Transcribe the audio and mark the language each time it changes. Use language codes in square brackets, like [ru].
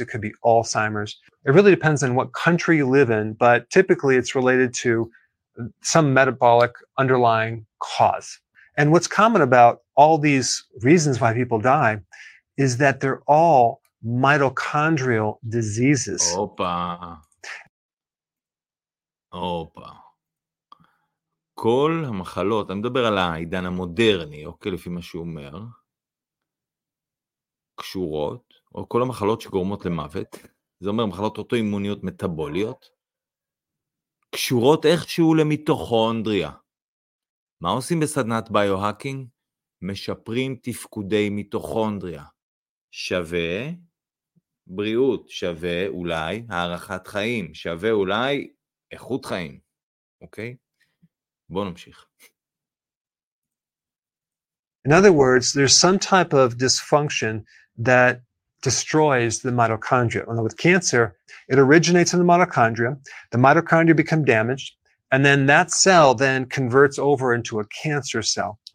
[en] It could be Alzheimer's. It really depends on what country you live in, but typically it's related to some metabolic underlying cause. And what's common about all these reasons why people die is that they're all mitochondrial diseases. Opa. [he] כל המחלות, אני מדבר על העידן המודרני, אוקיי, לפי מה שהוא אומר, קשורות, או כל המחלות שגורמות למוות, זה אומר מחלות אוטואימוניות מטאבוליות, קשורות איכשהו למיטוכונדריה. מה עושים בסדנת ביו-הקינג? משפרים תפקודי מיטוכונדריה. שווה בריאות, שווה אולי הערכת חיים, שווה אולי איכות חיים. אוקיי? בוא נמשיך. [en] In other words, there's some type of dysfunction that destroys the mitochondria. And with cancer, it originates in the mitochondria, the mitochondria become damaged, and then that cell then converts over into a cancer cell.